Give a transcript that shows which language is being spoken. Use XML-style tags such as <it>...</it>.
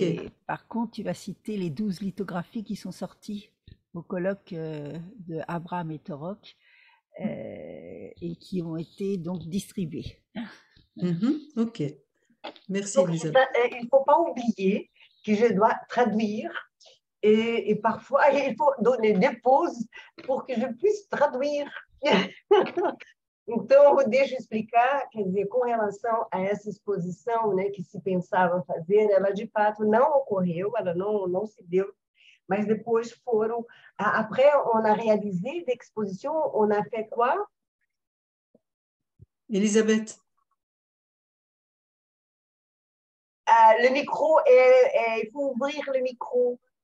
<fr>Et par contre, tu vas citer les 12 lithographies qui sont sorties au colloque de Abraham et Torok et qui ont été donc distribuées. Ok. Merci, donc, Elisabeth. Il ne faut pas oublier que je dois traduire et parfois il faut donner des pauses pour que je puisse traduire.</fr> <pt>Então, deixa eu explicar, quer dizer, com relação a essa exposição, né, que se pensava fazer, ela de fato não ocorreu, ela não se deu, mas depois foram...</pt> <fr>Après, on a réalisé l'exposition, on a fait quoi? Elisabeth. Le micro, il faut ouvrir le micro.</fr>